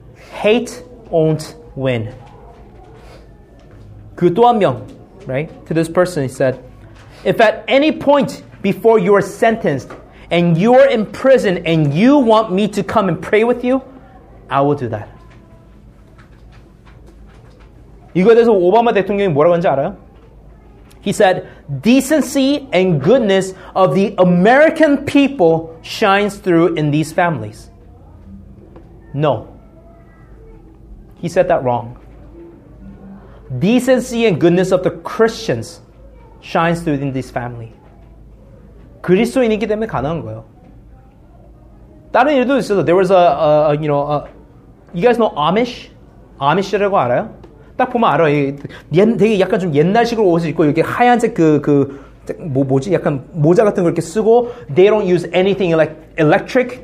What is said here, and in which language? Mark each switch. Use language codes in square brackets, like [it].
[en] Hate won't win. [ko] 그 또 한 명, [en] right? To this person, he said, if at any point before you are sentenced, and you are in prison, and you want me to come and pray with you, I will do that. [ko] 이거에 대해서 오바마 대통령이 뭐라고 하는지 알아요? [en] He said, decency and goodness of the American people shines through in these families. No. He said that wrong. Decency and goodness of the Christians shines through in these families. [ko] 그리스도인이기 때문에 가능한 거예요. 다른 일도 있어요. [en] There was you guys know Amish? [ko] Amish라고 알아요? 딱 보면 알아요. 되게 약간 좀 옛날식으로 옷을 입고 이렇게 하얀색 그 뭐지? 약간 모자 같은 걸 이렇게 쓰고 [en] they don't use anything like electric.